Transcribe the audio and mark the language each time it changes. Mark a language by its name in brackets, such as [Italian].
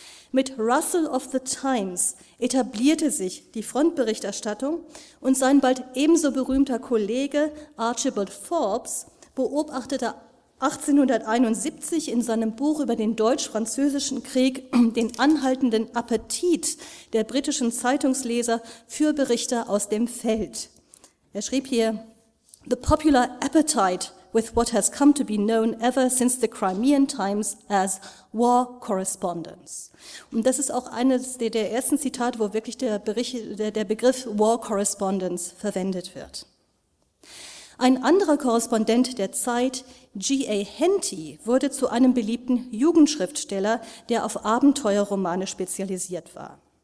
[German] Mit Russell of the Times etablierte sich die Frontberichterstattung und sein bald ebenso berühmter Kollege Archibald Forbes beobachtete 1871 in seinem Buch über den Deutsch-Französischen Krieg den anhaltenden Appetit der britischen Zeitungsleser für Berichte aus dem Feld. Er schrieb hier: [English] "The popular appetite with what has come to be known ever since the Crimean times as war correspondence." [German] Und das ist auch eines der ersten Zitate, wo wirklich der Begriff war correspondence verwendet wird. Ein anderer Korrespondent der Zeit, G.A. Henty, wurde zu einem beliebten Jugendschriftsteller, der auf Abenteuerromane spezialisiert war.